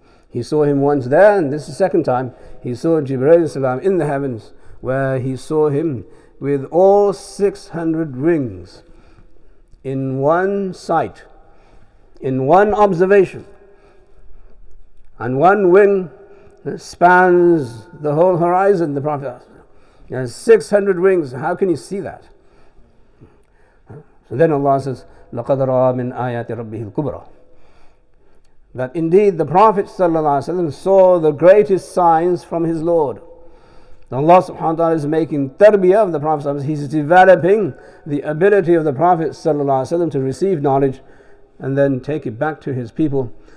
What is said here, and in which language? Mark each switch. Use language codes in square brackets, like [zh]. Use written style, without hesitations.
[en] He saw him once there, and this is the second time he saw Jibreel salam in the heavens, where he saw him with all 600 wings in one sight, in one observation. And one wing spans the whole horizon, the Prophet has 600 wings. How can you see that? So then Allah says, [ar] لَقَدْ رَى مِنْ آيَاتِ رَبِّهِ الْكُبْرَى. [en] That indeed the Prophet saw the greatest signs from his Lord. Allah subhanahu wa ta'ala is making tarbiyah of the Prophet. He's developing the ability of the Prophet to receive knowledge and then take it back to his people.